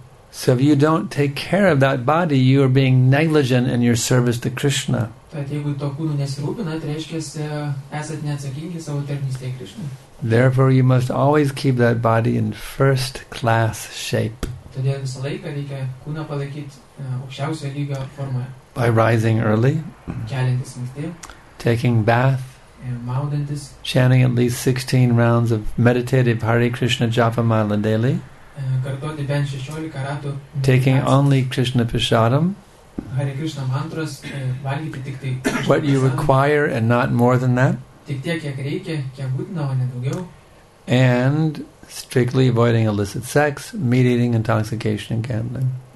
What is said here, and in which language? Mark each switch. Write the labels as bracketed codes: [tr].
[en] So if you don't take care of that body, you are being negligent in your service to Krishna. [lt] Tad jeigu to kūnų nesirūpina, tai reiškia, esat neatsakingi savo tarnystėje Krishna. [en] Therefore, you must always keep that body in first class shape. [lt] Todėl visą laiką reikia kūną palaikyti aukščiausio lygio formoje. [en] By rising early. [lt] Keliantis anksti. [en] Taking bath. [lt] Maudantis. [en] Chanting at least 16 rounds of meditative Hare Krishna Japa Mala daily. [lt] Kartoti bent 16 ratų. [en] Taking only Krishna Prasadam. [lt] Hare Krishna mantras, valgyti tik tai. [en] What you require and not more than that. [lt] Tik tiek, kiek reikia, kiek būtina, o ne daugiau. [en] And strictly avoiding illicit sex, meat eating, intoxication, and gambling.